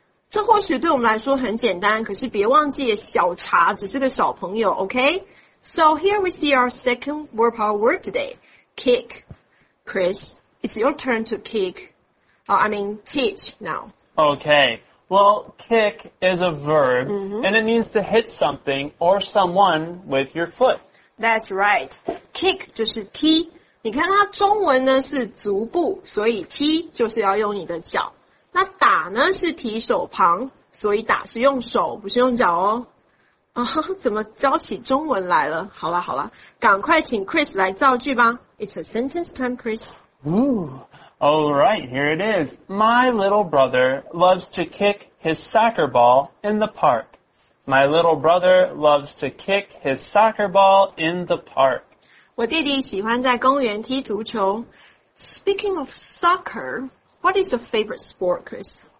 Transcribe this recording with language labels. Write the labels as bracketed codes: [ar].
[zh] 这或许对我们来说很简单，可是别忘记小茶只是个小朋友 ，okay? [en] So here we see our second word power word today, kick. Chris, it's your turn to kick, teach now. Okay, well, kick is a verb, and it means to hit something or someone with your foot. That's right, kick [zh] 就是踢。你看它中文呢是足部，所以踢就是要用你的脚。那打呢是提手旁，所以打是用手，不是用脚哦。怎么教起中文来了？好啦好啦，赶快请 Chris 来造句吧。 [en] It's a sentence time, Chris. Alright, here it is. My little brother loves to kick his soccer ball in the park. My little brother loves to kick his soccer ball in the park. [zh] 我弟弟喜欢在公园踢足球。 [en] Speaking of soccer, what is your favorite sport, Chris?